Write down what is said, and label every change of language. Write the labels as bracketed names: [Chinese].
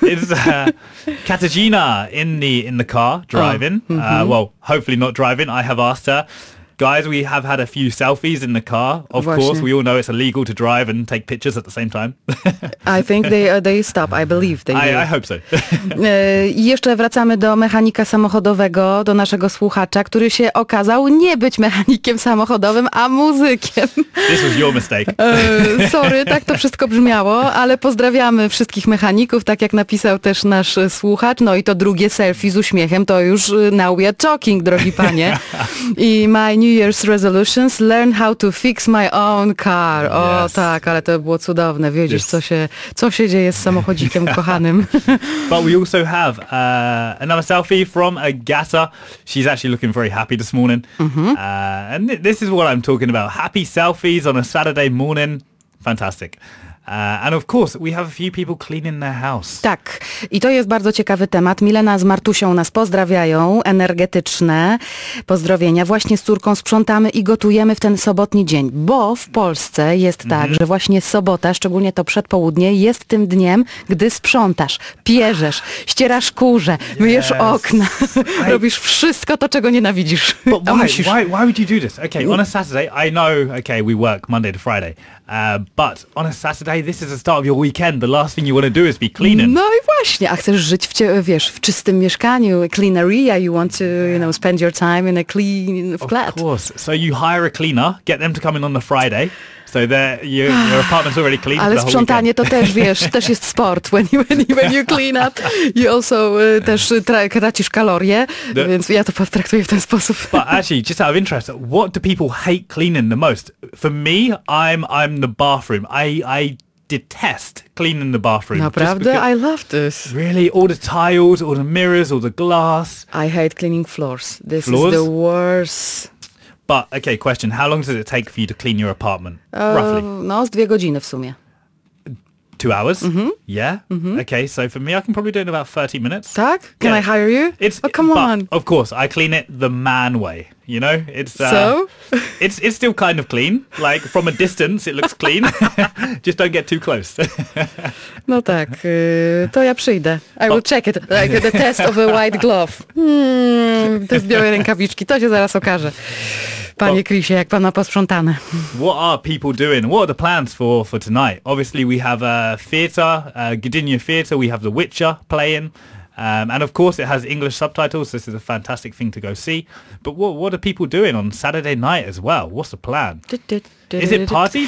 [English] It's Katarzyna in the car driving. Oh, mm-hmm. Well, hopefully not driving. I have asked her. Guys, we have had a few selfies in the car. Of [Polish] właśnie. [English] Course, we all know it's illegal to drive and take pictures at the same time. I think they stop, I believe they I hope so. [Polish] jeszcze wracamy do mechanika samochodowego, do naszego słuchacza, który się okazał nie być mechanikiem samochodowym, a muzykiem. [English] This was your mistake. [Polish] sorry, tak to wszystko brzmiało, ale pozdrawiamy wszystkich mechaników, tak jak napisał też nasz słuchacz. No i to drugie selfie z uśmiechem, to już [English] now we are talking, [Polish] drogi panie. [English] I my New Year's resolutions, learn how to fix my own car. Yes. [Polish] O tak, ale to było cudowne, wiedzieć yes. co się dzieje z samochodzikiem kochanym. [English] But we also have another selfie from Agata. She's actually looking very happy this morning. Mm-hmm. And this is what I'm talking about. Happy selfies on a Saturday morning. Fantastic. And of course, we have a few people cleaning their house. [Polish] Tak. I to jest bardzo ciekawy temat. Milena z Martusią nas pozdrawiają. Energetyczne pozdrowienia. Właśnie z córką sprzątamy i gotujemy w ten sobotni dzień. Bo w Polsce jest tak, że właśnie sobota, szczególnie to przedpołudnie, jest tym dniem, gdy sprzątasz, pierzesz, ścierasz kurze, myjesz okna, robisz wszystko to, czego nienawidzisz. [English] But why would you do this? Okay, on a Saturday, I know, okay, we work Monday to Friday. But on a Saturday, this is the start of your weekend. The last thing you want to do is be cleaning. [Polish] No i właśnie, a chcesz żyć w, wiesz, w czystym mieszkaniu, [English] clean area, you want to, you know, spend your time in a clean flat. Of course. So you hire a cleaner, get them to come in on the Friday. So your apartment's already clean. [Polish] Ale sprzątanie to też, wiesz, też jest sport. [English] When you clean up, you also [Polish] też tracisz kalorie, więc ja to traktuję w ten sposób. [English] But actually, just out of interest, what do people hate cleaning the most? For me, I'm the bathroom. I detest cleaning the bathroom. [Polish] Naprawdę? [English] I love this. Really? All the tiles, all the mirrors, all the glass. I hate cleaning floors. This is the worst. But, okay, question. How long does it take for you to clean your apartment, roughly? [Polish] No, z 2 godziny w sumie. [English] 2 hours? Mm-hmm. Yeah? Mm-hmm. Okay, so for me, I can probably do it in about 30 minutes. [Polish] Tak? [English] Can I hire you? Come on. Of course, I clean it the man way, you know? It's still kind of clean. Like, from a distance, it looks clean. Just don't get too close. [Polish] No tak, to ja przyjdę. [English] I will check it, like the test of a white glove. [Polish] Test białej rękawiczki, to się zaraz okaże. Panie Krisie, jak pana posprzątane. [English] What are people doing? What are the plans for tonight? Obviously we have a theatre, Gdynia Theatre, we have The Witcher playing. And of course it has English subtitles, this is a fantastic thing to go see. But what are people doing on Saturday night as well? What's the plan? Is it party?